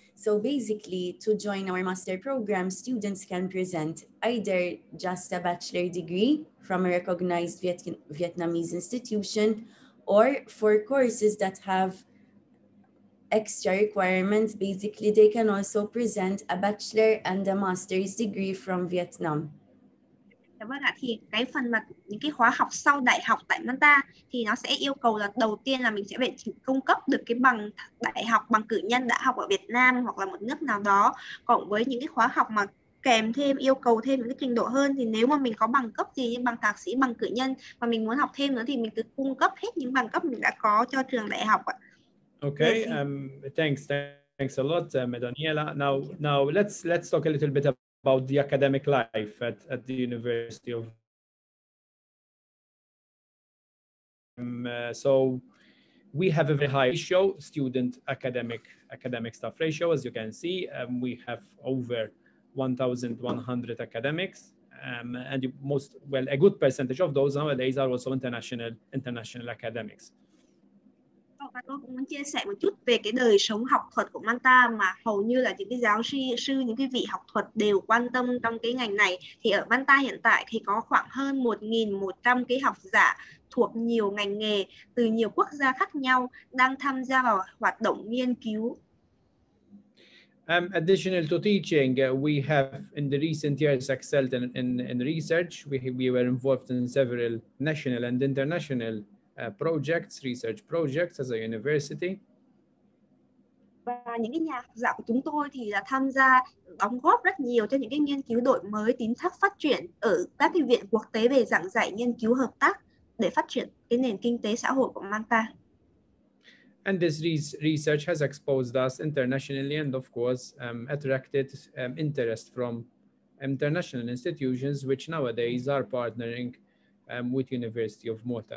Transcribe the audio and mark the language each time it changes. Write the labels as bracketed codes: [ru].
[en] So basically, to join our master program, students can present either just a bachelor degree from a recognized Vietnamese institution, or for courses that have extra requirements, basically they can also present a bachelor and a master's degree from Vietnam. [vi] Vâng ạ, thì cái phần mà những cái khóa học sau đại học tại Malta thì nó sẽ yêu cầu là đầu tiên là mình sẽ phải cung cấp được cái bằng đại học, bằng cử nhân đã học ở Việt Nam hoặc là một nước nào đó. Cộng với những cái khóa học mà kèm thêm, yêu cầu thêm những cái trình độ hơn, thì nếu mà mình có bằng cấp gì như bằng thạc sĩ, bằng cử nhân mà mình muốn học thêm nữa thì mình cứ cung cấp hết những bằng cấp mình đã có cho trường đại học ạ. [en] Okay, thanks a lot, Daniela. Now let's talk a little bit about the academic life at the University of. So we have a very high ratio, student academic staff ratio, as you can see. We have over 1,100 academics, and a good percentage of those nowadays are also international academics. [vi] và tôi cũng muốn chia sẻ một chút về cái đời sống học thuật của Malta mà hầu như là những cái giáo sư, những cái vị học thuật đều quan tâm trong cái ngành này. Thì ở Malta hiện tại thì có khoảng hơn 1.100 cái học giả thuộc nhiều ngành nghề từ nhiều quốc gia khác nhau đang tham gia vào hoạt động nghiên cứu. [en] Additional to teaching, we have in the recent years excelled in research. We were involved in several national and international projects, research projects as a university. [vi] Và những cái nhà học giả của chúng tôi thì là tham gia đóng góp rất nhiều cho những cái nghiên cứu đổi mới, tiến thác phát triển ở các cái viện quốc tế về giảng dạy nghiên cứu hợp tác để phát triển cái nền kinh tế xã hội của Malta. [en] And this research has exposed us internationally and of course attracted interest from international institutions which nowadays are partnering with University of Malta.